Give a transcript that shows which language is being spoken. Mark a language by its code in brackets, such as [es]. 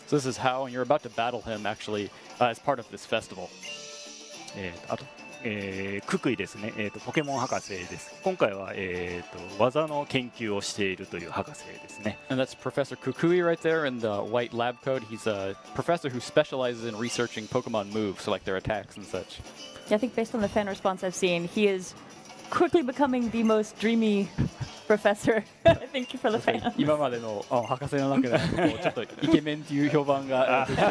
[en] So this is how, and you're about to battle him actually, as part of this festival. [ja] あと、ククイですね。ポケモン博士です。今回は、技の研究をしているという博士ですね。 [en] And that's Professor Kukui right there in the white lab coat. He's a professor who specializes in researching Pokemon moves, so like their attacks and such. Yeah, I think based on the fan response I've seen, he is quickly becoming the most dreamy. Professor, thank you for the fan. [ja] 今までの博士の中でもちょっとイケメンという評判が。